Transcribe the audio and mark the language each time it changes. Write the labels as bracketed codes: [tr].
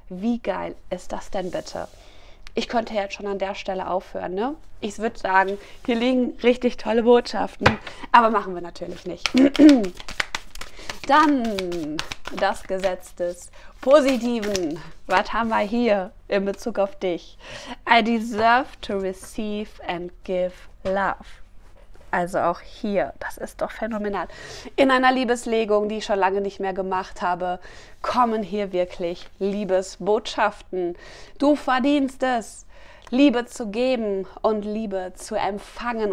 [de] Wie geil ist das denn bitte? Ich könnte jetzt schon an der Stelle aufhören, ne? Ich würde sagen, hier liegen richtig tolle Botschaften. Aber machen wir natürlich nicht. Dann das Gesetz des Positiven. Was haben wir hier in Bezug auf dich? [en] I deserve to receive and give love. [de] Also auch hier, das ist doch phänomenal. In einer Liebeslegung, die ich schon lange nicht mehr gemacht habe, kommen hier wirklich Liebesbotschaften. Du verdienst es, Liebe zu geben und Liebe zu empfangen.